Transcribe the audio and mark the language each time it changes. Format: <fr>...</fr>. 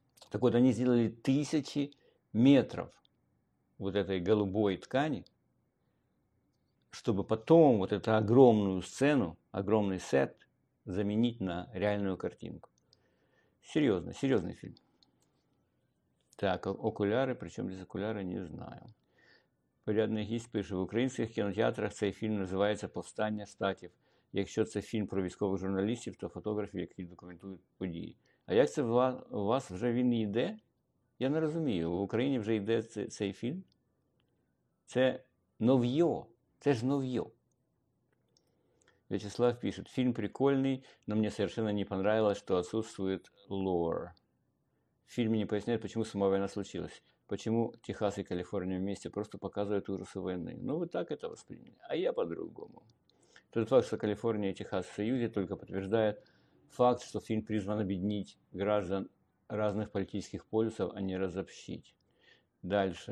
<ru>Так вот, они сделали тысячи метров вот этой голубой ткани, чтобы потом вот эту огромную сцену, огромный сет заменить на реальную картинку. Серьезно, серьезный фильм.</ru> <uk>Так, окуляри, причому без окуляри, не знаю. Порядний гість пише, в українських кінотеатрах цей фільм називається «Повстання Штатів». Якщо це фільм про військових журналістів та фотографів, які документують події. А як це у вас вже він йде? Я не розумію. В Україні вже йде цей фільм? Це нов'йо. Це ж нов'йо. В'ячеслав пише, фільм прикольний, но мені</uk> <ru>совершенно не понравилось,</ru> <uk>що отсутствует лор.</uk> <ru>В фильме не поясняют, почему сама война случилась, почему Техас и Калифорния вместе просто показывают ужасы войны. Ну, вы так это восприняли, а я по-другому. Тот факт, что Калифорния и Техас в союзе, только подтверждает факт, что фильм призван объединить граждан разных политических полюсов, а не разобщить. Дальше.</ru>